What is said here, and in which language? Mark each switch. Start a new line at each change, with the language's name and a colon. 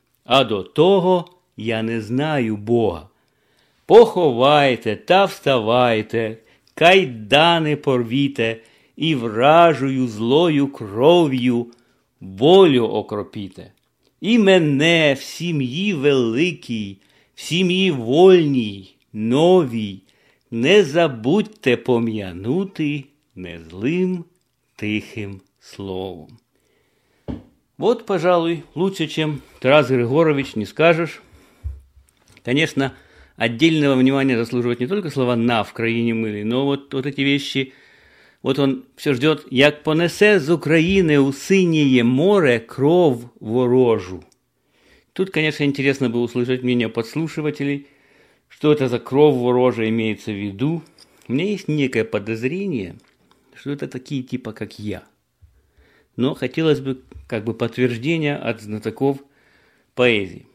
Ukrainian: А до того я не знаю Бога. Поховайте та вставайте, кайдани порвіте, і вражую злою кров'ю волю окропіте. І мене в сім'ї великій, в сім'ї вольній, новій, не забудьте пом'янути незлим тихим словом.
Russian: От, пожалуй, лучше, чем Тарас Григорович, не скажешь. Конечно, отдельного внимания заслуживают не только слова «на» в «Країні милі», но вот эти вещи. Вот он все ждет.
Ukrainian: «Як понесе з України у синєє море кров ворожу».
Russian: Тут, конечно, интересно бы услышать мнение подслушивателей, что это за
Ukrainian: кров ворожа
Russian: имеется в виду. У меня есть некое подозрение, что это такие типа как я. Но хотелось бы как бы подтверждения от знатоков поэзии.